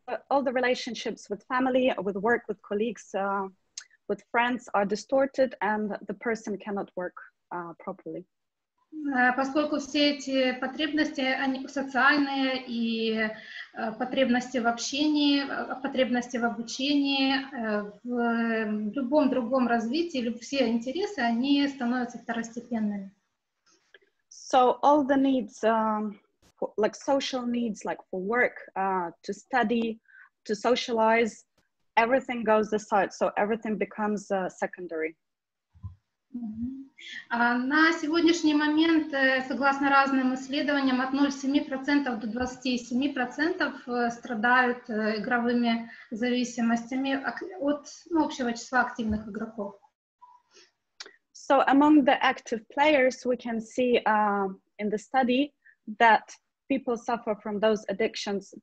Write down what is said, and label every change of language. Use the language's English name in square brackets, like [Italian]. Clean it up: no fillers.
[English] all the relationships with family, with work, with colleagues, with friends are distorted, and the person cannot work properly. [Russian] Поскольку все эти потребности, они социальные, и потребности в общении, потребности в обучении, в любом другом развитии, все интересы, они становятся второстепенными. [English] So all the needs, like social needs, like for work, to study, to socialize, everything goes aside, so everything becomes secondary. [Russian] На сегодняшний момент, согласно разным исследованиям, от 0,7% до 27% страдают игровыми зависимостями от общего числа активных игроков. [English] So among the active players, we can see in the study that people suffer from those addictions.